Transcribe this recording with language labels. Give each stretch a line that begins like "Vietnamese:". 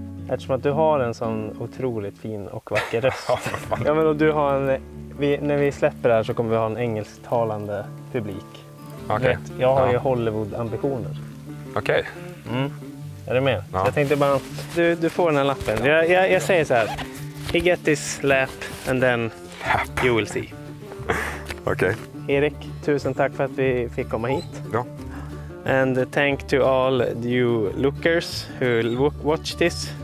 Swedish: Eftersom att du har en sån otroligt fin och vacker röst. Ja, men du har en, när vi släpper det här så kommer vi ha en engelsktalande publik. Okay. Jag har ju Hollywood-ambitioner. Okej. Okay. Mm. Är du med? Ja. Jag tänkte bara, du får den här lappen. Jag säger så här.
English: He get this lap and then you will see.
Swedish: Okej. Okay. Erik, tusen tack för att vi fick komma hit. Ja.
English: And thank to all you lookers who watch this.